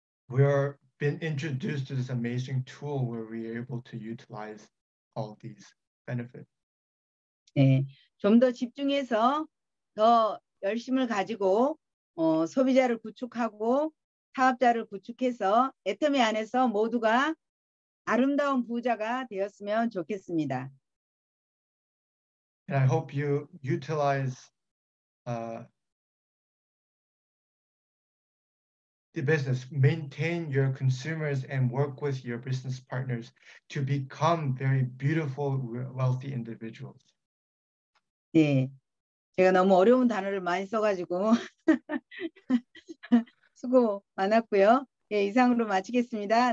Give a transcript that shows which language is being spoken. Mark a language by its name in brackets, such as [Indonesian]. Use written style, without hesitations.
[English] We are been introduced to this amazing tool where we are able to utilize all these benefits. [Korean] 네, 좀 더 집중해서 더 열심을 가지고 소비자를 구축하고 사업자를 구축해서 애터미 안에서 모두가 아름다운 부자가 되었으면 좋겠습니다. [English] And I hope you utilize the business, maintain your consumers and work with your business partners to become very beautiful, wealthy individuals. [Korean] 네, 제가 너무 어려운 단어를 많이 써가지고 수고 많았고요. 네, 이상으로 마치겠습니다.